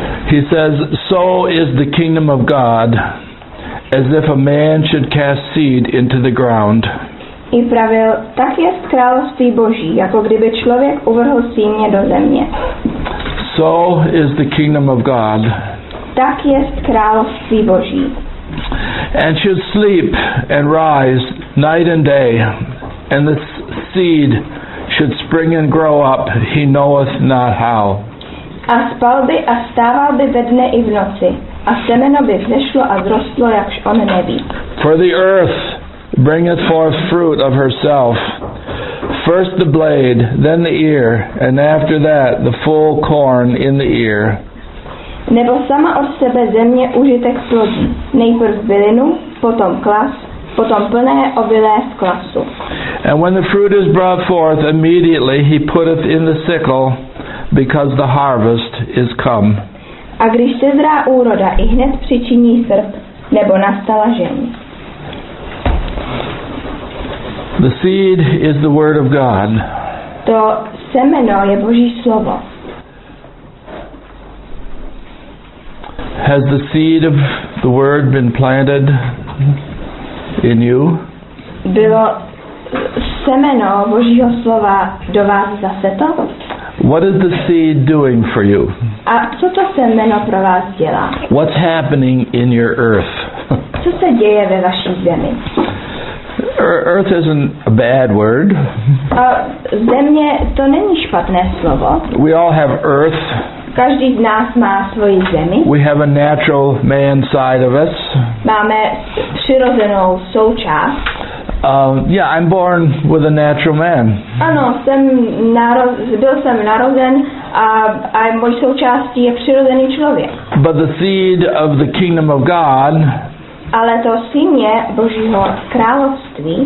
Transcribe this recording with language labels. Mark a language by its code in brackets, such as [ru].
[en] He says, "So is the kingdom of God, as if a man should cast seed into the ground." [cs] I pravil, tak jest království Boží, jako kdyby člověk uvrhl sýmě do země. [en] So is the kingdom of God. [cs] Tak jest království Boží. [en] And should sleep and rise night and day, and the seed should spring and grow up, he knoweth not how. [cs] A spal by a stával by ve dne i v noci, a semeno by vzešlo a zrostlo, jakž on neví. [en] For the earth bringeth forth fruit of herself, first the blade, then the ear, and after that the full corn in the ear. [cs] Nebo sama od sebe země užitek plodí, nejprv bylinu, potom klas, potom plné obilé z klasu. [en] And when the fruit is brought forth, immediately he putteth in the sickle, because the harvest is come. [cs] A když sezrá úroda, i hned přičiní srp, nebo nastala žeň. [en] The seed is the word of God. [cs] To semeno je Boží slovo. [en] Has the seed of the word been planted in you? [cs] Bylo semeno Božího slova do vás zaseto? [en] What is the seed doing for you? [cs] A co to semeno pro vás dělá? [en] What's happening in your earth? [cs] Co se děje ve vaší zemi? [en] Earth isn't a bad word. [cs] Země to není špatné slovo. [en] We all have earth. [cs] Každý z nás má svoji zemi. [en] We have a natural man side of us. [cs] Máme přirozenou součást. [en] I'm born with a natural man. [cs] Ano, byl jsem narozen a můj součástí je přirozený člověk. [en] But the seed of the kingdom of God, [cs] ale to sýmě Božího království,